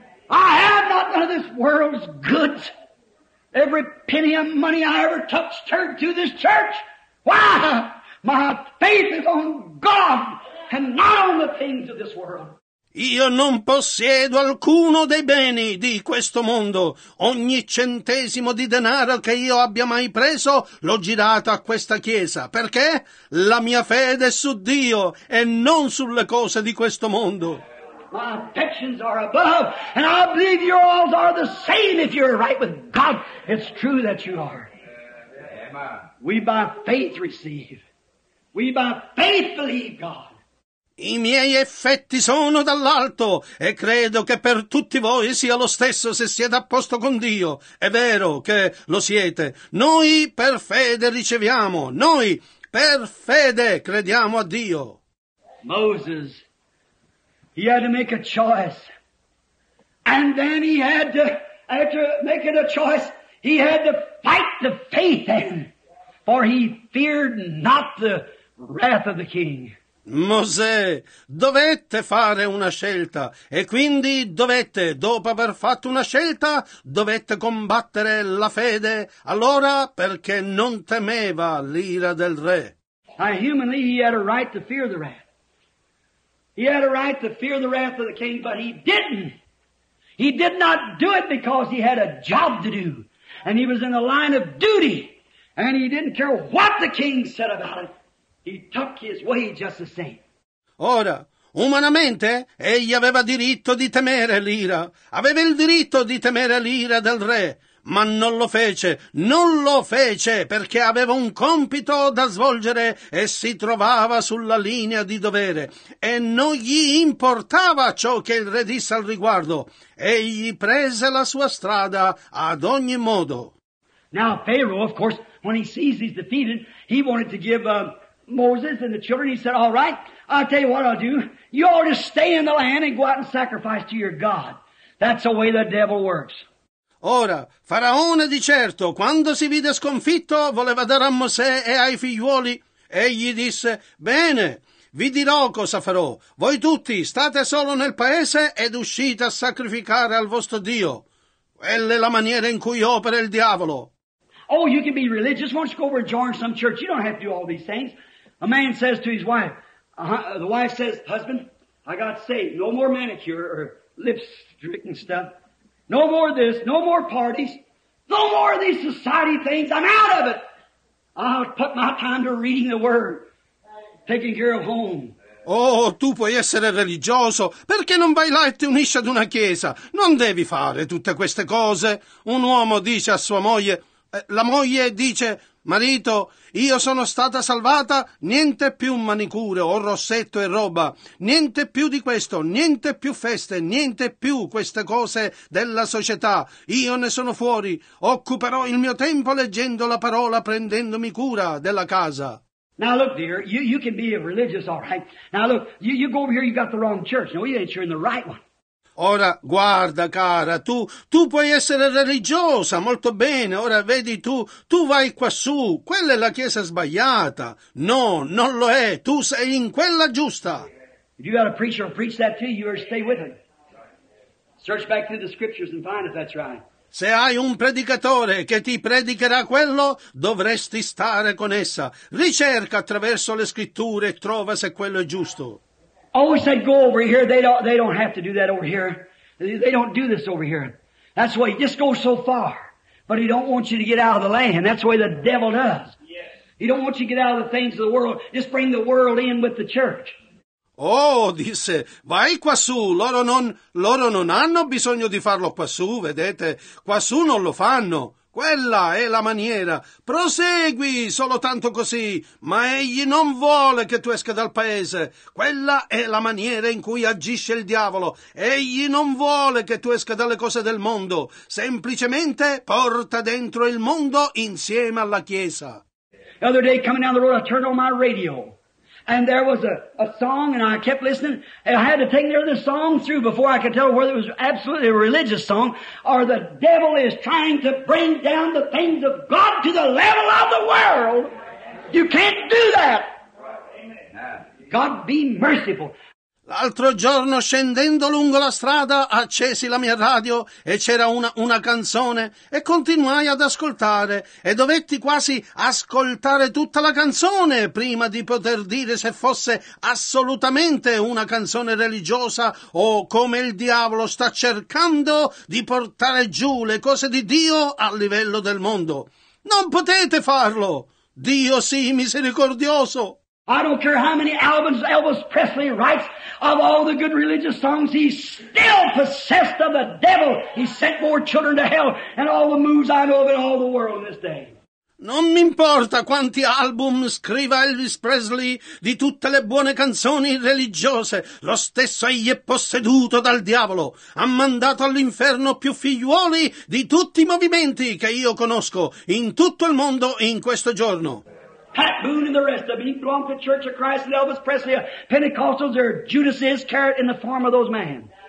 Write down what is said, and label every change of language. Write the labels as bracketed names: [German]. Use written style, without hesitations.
[English] I have not none of this world's goods. Every penny of money I ever touched turned to this church. Why? My faith is on God and not on the things of this world. [Italian] Io non possiedo alcuno dei beni di questo mondo. Ogni centesimo di denaro che io abbia mai preso l'ho girato a questa chiesa. Perché? La mia fede è su Dio e non sulle cose di questo mondo. [English] My affections are above, and I believe you all are the same if you're right with God. It's true that you are. We by faith receive. We by faith believe God. [Italian] I miei effetti sono dall'alto e credo che per tutti voi sia lo stesso se siete a posto con Dio. È vero che lo siete. Noi per fede riceviamo. Noi per fede crediamo a Dio. [English] Moses, he had to make a choice. And then he had to, after making a choice, he had to fight the faith then. For he feared not the wrath of the king. [Italian] Mosè dovette fare una scelta e quindi dovette, dopo aver fatto una scelta, dovette combattere la fede, allora perché non temeva l'ira del re. [English] Now, humanly, he had a right to fear the wrath. He had a right to fear the wrath of the king, but he didn't. He did not do it because he had a job to do. And he was in the line of duty. And he didn't care what the king said about it. He took his way just the same. [Italian] Ora, umanamente, egli aveva diritto di temere l'ira. Aveva il diritto di temere l'ira del re, ma non lo fece. Non lo fece perché aveva un compito da svolgere e si trovava sulla linea di dovere. E non gli importava ciò che il re disse al riguardo. Egli prese la sua strada ad ogni modo. [English] Now Pharaoh, of course, when he sees he's defeated, he wanted to give Moses and the children, he said, all right, I'll tell you what I'll do. You ought to stay in the land and go out and sacrifice to your God. That's the way the devil works. [Italian] Ora, Faraone di certo, quando si vide sconfitto, voleva dare a Mosè e ai figliuoli. Egli disse, bene, vi dirò cosa farò. Voi tutti state solo nel paese ed uscite a sacrificare al vostro Dio. Quella è la maniera in cui opera il diavolo. [English] Oh, you can be religious. Why don't you go over and join some church? You don't have to do all these things. A man says to his wife, the wife says, husband, I got saved. No more manicure or lipstick and stuff. No more this. No more parties. No more of these society things. I'm out of it. I'll put my time to reading the word, taking care of home. [Italian] Oh, tu puoi essere religioso, perché non vai là e ti unisci ad una chiesa? Non devi fare tutte queste cose. Un uomo dice a sua moglie, la moglie dice, marito, io sono stata salvata, niente più manicure o rossetto e roba, niente più di questo, niente più feste, niente più queste cose della società, io ne sono fuori, occuperò il mio tempo leggendo la parola, prendendomi cura della casa. [English] Now look, dear, you can be a religious, all right. Now look, you go over here, you got the wrong church. No, you're in the right one. [Italian] Ora, guarda, cara, tu puoi essere religiosa, molto bene. Ora, vedi tu vai quassù. Quella è la chiesa sbagliata. No, non lo è. Tu sei in quella giusta. [English] If you got a preacher to preach that to you, or stay with him. Search back through the scriptures and find if that's right. [Italian] Se hai un predicatore che ti predicherà quello, dovresti stare con essa. Ricerca attraverso le scritture e trova se quello è giusto. [English] Always said go over here. They don't have to do that over here. They don't do this over here. That's why he just goes so far. But he don't want you to get out of the land. That's the way the devil does. Yes. He don't want you to get out of the things of the world. Just bring the world in with the church. [Italian] Oh, disse, vai quassù, loro non hanno bisogno di farlo quassù, vedete, quassù non lo fanno, quella è la maniera, prosegui solo tanto così, ma egli non vuole che tu esca dal paese, quella è la maniera in cui agisce il diavolo, egli non vuole che tu esca dalle cose del mondo, semplicemente porta dentro il mondo insieme alla chiesa. [English] The other day coming down the road I turned on my radio. And there was a song, and I kept listening, and I had to take the song through before I could tell whether it was absolutely a religious song, or the devil is trying to bring down the things of God to the level of the world. You can't do that. God be merciful. [Italian] L'altro giorno, scendendo lungo la strada, accesi la mia radio e c'era una canzone e continuai ad ascoltare e dovetti quasi ascoltare tutta la canzone prima di poter dire se fosse assolutamente una canzone religiosa o come il diavolo sta cercando di portare giù le cose di Dio a livello del mondo. Non potete farlo! Dio sì, misericordioso! [English] I don't care how many albums Elvis Presley writes of all the good religious songs, he's still possessed of the devil. He sent more children to hell than all the moves I know of in all the world this day. [Italian] Non mi importa quanti album scriva Elvis Presley di tutte le buone canzoni religiose, lo stesso egli è posseduto dal diavolo. Ha mandato all'inferno più figliuoli di tutti i movimenti che io conosco in tutto il mondo in questo giorno. [English] Pat Boone and the rest of them, he belonged to the Church of Christ and Elvis Presley, Pentecostals, or Judas Iscariot in the form of those men.